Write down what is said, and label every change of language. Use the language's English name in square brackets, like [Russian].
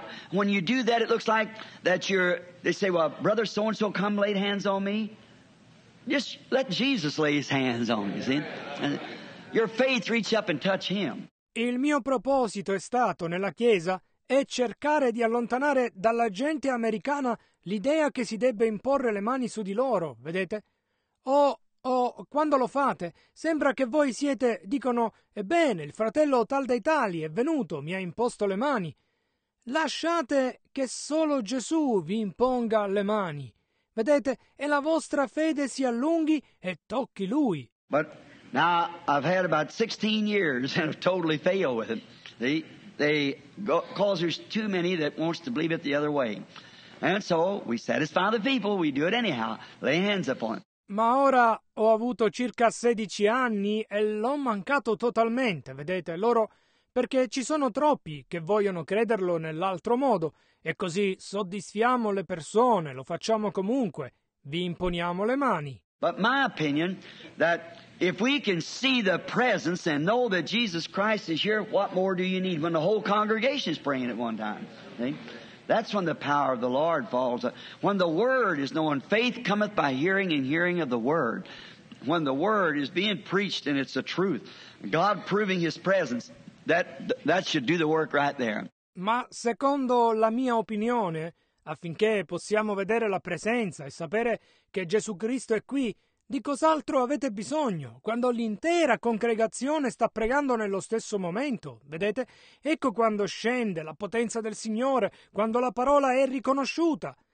[English] When you do that, it looks like that they say, well, brother so-and-so, come lay hands on me. Just let Jesus lay his hands on you, see? And your faith reach up and touch him. [Italian] Il mio proposito è stato, nella Chiesa, è cercare di allontanare dalla gente americana l'idea che si debba imporre le mani su di loro, vedete? Quando lo fate, sembra che voi siete, dicono, ebbene, il fratello tal dei tali è venuto, mi ha imposto le mani. Lasciate che solo Gesù vi imponga le mani. Vedete, e la vostra fede si allunghi e tocchi Lui. [English] But now I've had about 16 years and have totally failed with it. Because there's too many that wants to believe it the other way. And so we satisfy the people, we do it anyhow, lay hands upon them. [Italian] Ma ora ho avuto circa 16 anni e l'ho mancato totalmente, vedete, loro, perché ci sono troppi che vogliono crederlo nell'altro modo, e così soddisfiamo le persone, lo facciamo comunque, vi imponiamo le mani. [English] But my opinion that if we can see the presence and know that Jesus Christ is here, what more do you need when the whole congregation is praying at one time? See? That's when the power of the Lord falls. When the word is known, faith cometh by hearing and hearing of the word. When the word is being preached and it's the truth, God proving his presence, that should do the work right there. [Italian] Ma secondo la mia opinione, affinché possiamo vedere la presenza e sapere che Gesù Cristo è qui, di cos'altro avete bisogno? Quando l'intera congregazione sta pregando nello stesso momento, vedete? Ecco quando scende la potenza del Signore, quando la parola è riconosciuta.